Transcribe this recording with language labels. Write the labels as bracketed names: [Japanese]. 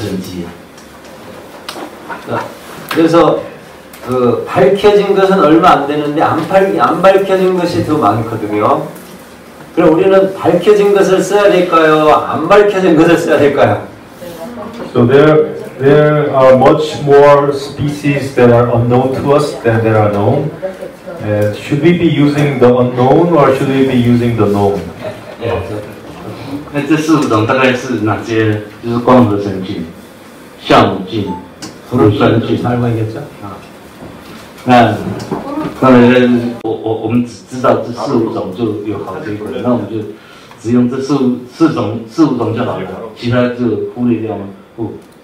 [Chinese] 然后有人就是把这四五种的微生物加以培养扩大，然后使用在作物上，也有人得到很好的成绩。对，就是说， [Korean] 그 밝혀진 것은 얼마 안 되는데 안 밝혀진 것이 더 많거든요. 그럼 우리는 밝혀진 것을 써야 될까요? 안 밝혀진 것을 써야 될까요? [English] So there are much more species that are unknown to us than there are known. And should we be using the unknown or should we be using the known? [Chinese] 那这四五种大概是哪些？就是光合成菌、酵母菌、乳酸菌。那当然，我们知道这四五种就有好结果，那我们就只用这四五种就好了，其他就忽略掉了，不。